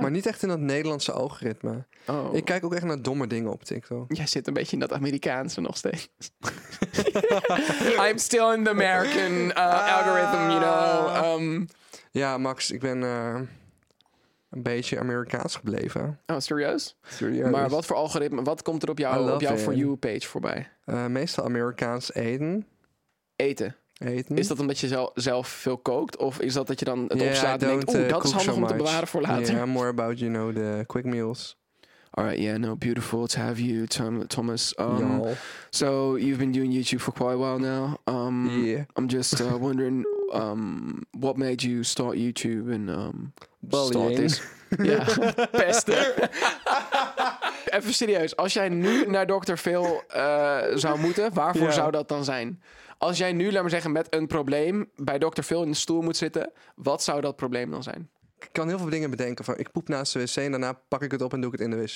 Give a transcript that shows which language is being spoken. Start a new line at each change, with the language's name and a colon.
Dutch: Maar niet echt in dat Nederlandse algoritme. Oh. Ik kijk ook echt naar domme dingen op TikTok. Jij zit een beetje in dat Amerikaanse nog steeds.
English: I'm still in the American algorithm, you know.
Dutch: Ja, Max, ik ben een beetje Amerikaans gebleven. Oh, serieus? Serieus. Maar wat voor algoritme, wat komt er op jouw For You page voorbij? Meestal Amerikaans eten. Eten? Eten. Is dat omdat je zelf veel kookt? Of is dat je dan het opstaat en denkt... Oeh, dat is handig
English: so
Dutch: om te bewaren voor later.
English: Yeah, more about, you know, the quick meals. All right, yeah, no, beautiful to have you, Thomas. So, you've been doing YouTube for quite a while now. I'm just wondering, what made you start YouTube and bullying. Start this?
Dutch: Ja, pesten. Even serieus, als jij nu naar Dr. Phil zou moeten, waarvoor zou dat dan zijn? Als jij nu, laat maar zeggen, met een probleem bij Dr. Phil in de stoel moet zitten, wat zou dat probleem dan zijn? Ik kan heel veel dingen bedenken. Van, ik poep naast de wc en daarna pak ik het op en doe ik het in de wc.